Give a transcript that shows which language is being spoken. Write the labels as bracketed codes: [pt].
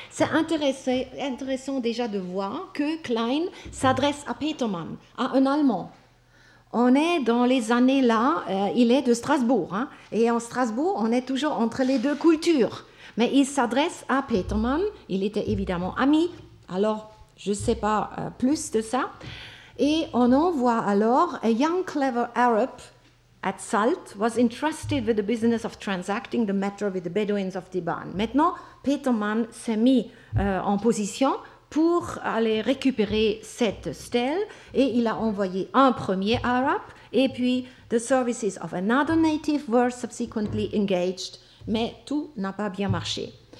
[fr] C'est intéressant déjà de voir que Klein s'adresse à Petermann, à un Allemand. On est dans les années là, il est de Strasbourg. Hein, et en Strasbourg, on est toujours entre les deux cultures. Mais il s'adresse à Petermann, il était évidemment ami. Alors, je ne sais pas plus de ça. Et on envoie alors [en] « a young clever Arab » at Salt, was entrusted with the business of transacting the matter with the Bedouins of Diban. [fr] Maintenant, Petermann s'est mis en position pour aller récupérer cette stèle et il a envoyé un premier arabe et puis [en] the services of another native were subsequently engaged, [fr] mais tout n'a pas bien marché.